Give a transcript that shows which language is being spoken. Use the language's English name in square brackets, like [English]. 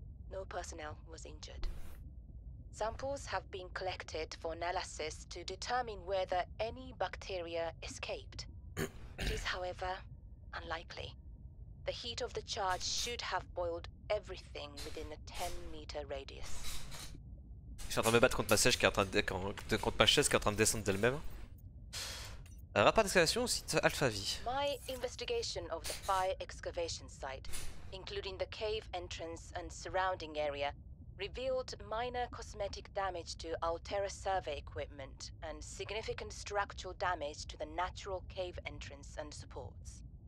[English] No personnel was injured. Samples have been collected for analysis to determine whether any bacteria escaped. It is, however, unlikely. The heat of the charge should have boiled everything within a 10-meter radius. [French] Je suis en train de me battre contre ma sèche qui est en train de. Contre ma chaise qui est en train de descendre d'elle-même. Rapport d'excavation au site Alpha V. [English] My investigation of the fire excavation site, including the cave entrance and surrounding area, revealed minor cosmetic damage to Altera survey equipment and significant structural damage to the natural cave entrance and supports.